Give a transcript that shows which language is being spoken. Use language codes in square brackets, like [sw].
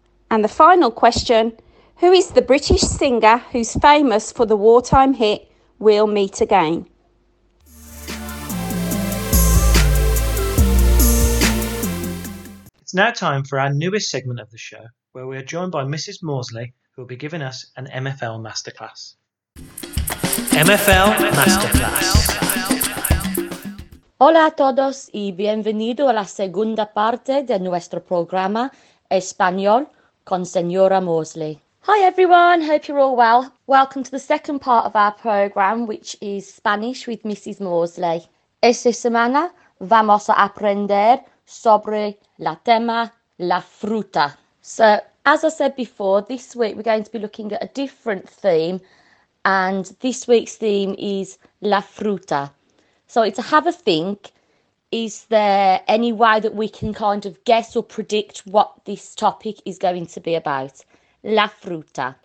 [en] And the final question, who is the British singer who's famous for the wartime hit We'll Meet Again? It's now time for our newest segment of the show, where we are joined by Mrs. Morsley, who will be giving us an MFL Masterclass. MFL Masterclass. [es] Hola a todos y bienvenido a la segunda parte de nuestro programa Español con Señora Morsley. [en] Hi everyone, hope you're all well. Welcome to the second part of our program, which is Spanish with Mrs. Morsley. [es] Esta semana vamos a aprender sobre la tema la fruta. [en] So, as I said before, this week we're going to be looking at a different theme, and this week's theme is la fruta. So it's a have a think, is there any way that we can kind of guess or predict what this topic is going to be about? La fruta.